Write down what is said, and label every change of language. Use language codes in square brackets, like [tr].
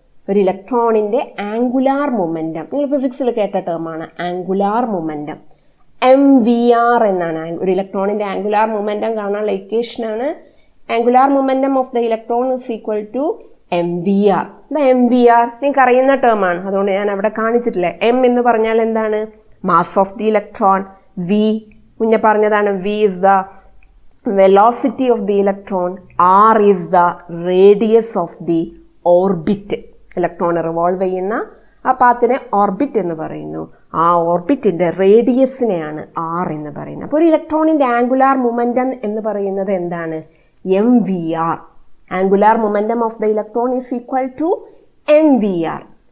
[ml] ഒരു ഇലക്ട്രോണിൻ്റെ angular momentum, നിങ്ങൾ ഫിസിക്സിൽ കേട്ട ടേമാണ് angular momentum, M V R എന്നാണ്. ഒരു ഇലക്ട്രോണിൻ്റെ ആംഗുലാർ മൊമെൻ്റം കാണാനുള്ള ഇക്വേഷനാണ് [en] Angular momentum of the electron is equal to M V R. [ml] The M V R നിങ്ങൾക്ക് അറിയുന്ന ടേമാണ്, അതുകൊണ്ട് ഞാൻ അവിടെ കാണിച്ചിട്ടില്ല. എം എന്ന് പറഞ്ഞാൽ എന്താണ്? [en] Mass of the electron. [ml] V മുന്നെ പറഞ്ഞതാണ്, [en] V is the velocity of the electron, r is the radius of the orbit. [ml] Electron revolve ചെയ്യുന്ന ആ പാത്തിനെ ഓർബിറ്റ് എന്ന് പറയുന്നു. ആ ഓർബിറ്റിൻ്റെ റേഡിയസിനെയാണ് r എന്ന് പറയുന്നത്. അപ്പോൾ ഒരു ഇലക്ട്രോണിൻ്റെ ആംഗുലാർ മൊമെൻ്റം എന്ന് പറയുന്നത് എന്താണ്? M V R. [en] Angular momentum of the electron is equal to M V R.